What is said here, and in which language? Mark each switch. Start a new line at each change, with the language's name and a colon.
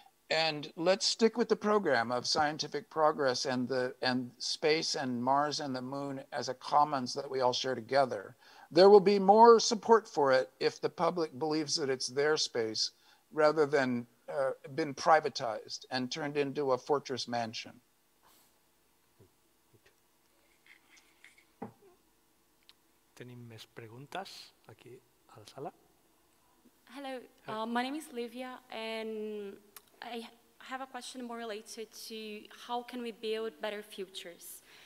English: And let's stick with the program of scientific progress and the and space and Mars and the moon as a commons that we all share together. There will be more support for it if the public believes that it's their space rather than been privatized and turned into a fortress mansion.
Catalan: Tenim més preguntes aquí a la sala.
English: Hello, my name is Livia, and I have a question more related to how can we build better futures.